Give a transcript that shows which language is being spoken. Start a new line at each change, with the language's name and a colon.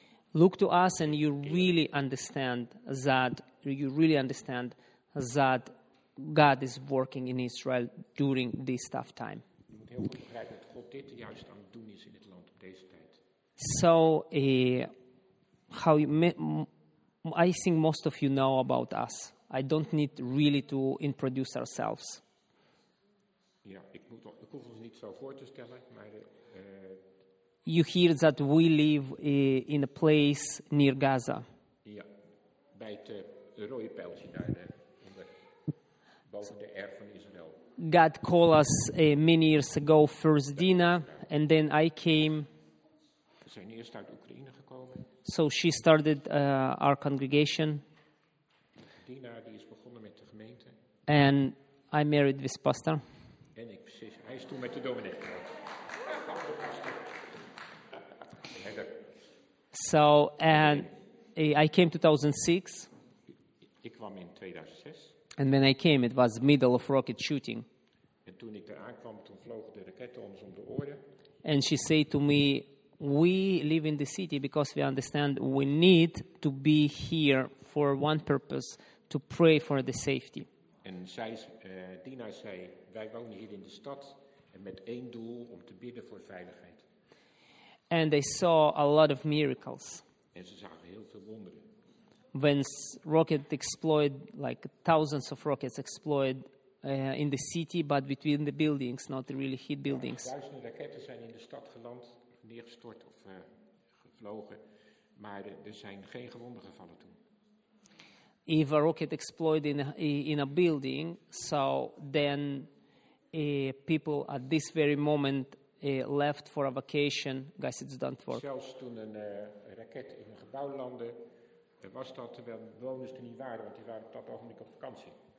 English: Look to us, and you really understand that. You really understand that God is working in Israel during this tough time.
Dutch: Je moet heel goed begrijpen dat God dit juist aan het doen is in het land op deze tijd.
English: So. How I think most of you know about us. I don't need really to introduce ourselves.
Dutch: Ja, ik hoef ons niet zo voor te stellen, maar
English: you hear that we live in a place near Gaza.
Dutch: Ja, bij het rode pijltje daar, boven de R van Israël.
English: God called us many years ago, first Dina, and then I came.
Dutch: We zijn eerst uit Oekraïne gekomen.
English: So she started our congregation.
Dutch: Dina die is begonnen met de gemeente.
English: And I married this pastor.
Dutch: En ik, hij is toen met de dominee getrouwd.
English: So, and I came 2006.
Dutch: Ik kwam in 2006.
English: And when I came, it was middle of rocket shooting.
Dutch: En toen ik eraan kwam, toen vlogen de raketten ons om de oren.
English: And she said to me, we live in the city because we understand we need to be here for one purpose, to pray for the safety.
Dutch: En zij, Dina zei, wij wonen hier in de stad en met één doel om te bidden voor veiligheid.
English: And they saw a lot of miracles.
Dutch: En ze zagen heel veel wonderen.
English: When rocket exploded, like thousands of rockets exploded in the city, but between the buildings, not really hit buildings.
Dutch: Ja, duizenden raketten zijn in de stad geland, neergestort of gevlogen, maar er zijn geen gewonden gevallen toen.
English: If a rocket exploded in a building, so then people at this very moment left for a vacation, guys, it doesn't work.
Dutch: Zelfs toen een raket in een gebouw landde, was dat terwijl bewoners er niet waren, want die waren op dat ogenblik op vakantie.